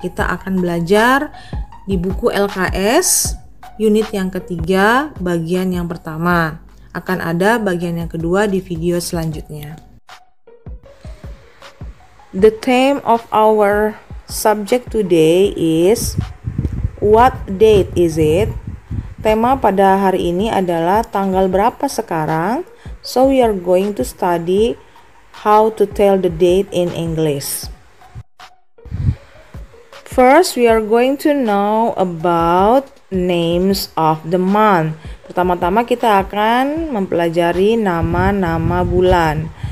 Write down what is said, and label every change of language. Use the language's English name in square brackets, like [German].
[Indonesian] Kita akan belajar di buku LKS unit yang ketiga bagian yang pertama. Akan ada bagian yang kedua di video selanjutnya. [English] The theme of our subject today is what date is it? [Indonesian] Tema pada hari ini adalah tanggal berapa sekarang? [English] So we are going to study how to tell the date in English. First, we are going to know about names of the month. [Indonesian] Pertama-tama kita akan mempelajari nama-nama bulan.